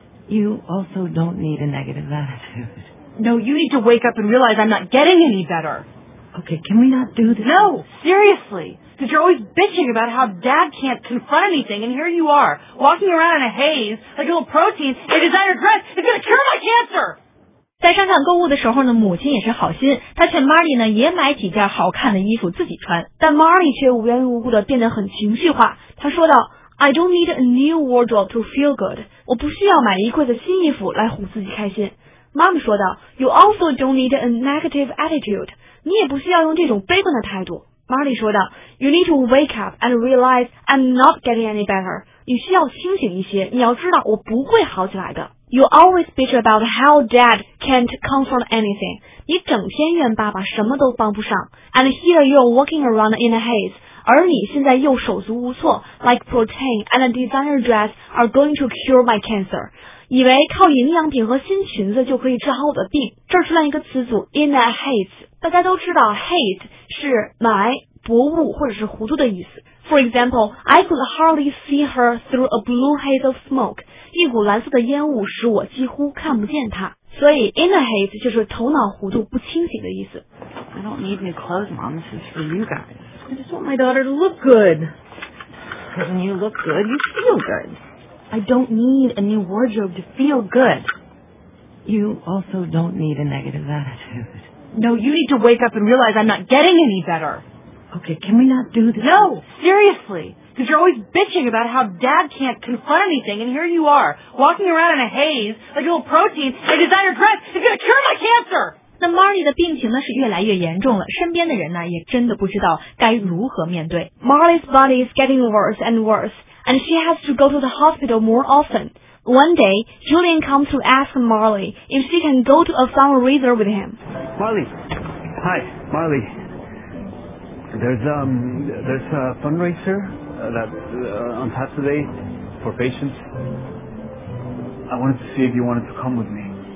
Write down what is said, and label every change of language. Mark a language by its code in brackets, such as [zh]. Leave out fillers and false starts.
[en] You also don't need a negative attitude. No, you need to wake up and realize I'm not getting any better. Okay, can we not do this? No, seriously. Because you're always bitching about how Dad can't confront anything, and here you are, walking around in a haze, like a little protein, a designer dress. It's going to cure my cancer! [zh] 在商场购物的时候呢，母亲也是好心，她劝 Marty 呢也买几件好看的衣服自己穿，但 Marty 却无缘无故的变得很情绪化。他说道 [en] ：“I don't need a new wardrobe to feel good。” [zh] 我不需要买一柜子新衣服来哄自己开心。妈妈说道 [en] ：“You also don't need a negative attitude。” [zh] 你也不需要用这种悲观的态度。 Marty 说道 [en] ：“You need to wake up and realize I'm not getting any better。” [zh] 你需要清醒一些，你要知道我不会好起来的。 [en] You always bitch about how Dad can't comfort anything. [zh] 你整天怨爸爸什么都帮不上。 [en] And here you're walking around in a haze. [zh] 而你现在又手足无措。 [en] Like protein and a designer dress are going to cure my cancer. [zh] 以为靠营养品和新裙子就可以治好我的病。这出来一个词组 [en] in a haze. [zh] 大家都知道 haze 是霾、薄雾或者是糊涂的意思。 [en] For example, I could hardly see her through a blue haze of smoke. [zh] 一股蓝色的烟雾使我几乎看不见她。所以 [en] in a haze [zh] 就是头脑糊涂不清醒的意思。 [en] I don't need new clothes, Mom. This is for you guys. I just want my daughter to look good. When you look good, you feel good. I don't need a new wardrobe to feel good. You also don't need a negative attitude. No, you need to wake up and realize I'm not getting any better. Okay, can we not do this? No, seriously. Because you're always bitching about how Dad can't confront anything, and here you are, walking around in a haze, like a little protein, a designer dress, it's going to cure my cancer! [zh] 那 Marty 的病情呢是越来越严重了，身边的人呢也真的不知道该如何面对。 [en] Marty's body is getting worse and worse, and she has to go to the hospital more often. One day, Julian comes to ask Marty if she can go to a fundraiser with him. Marty. Hi, Marty. There's a fundraiser on Saturday for patients. I wanted to see if you wanted to come with me.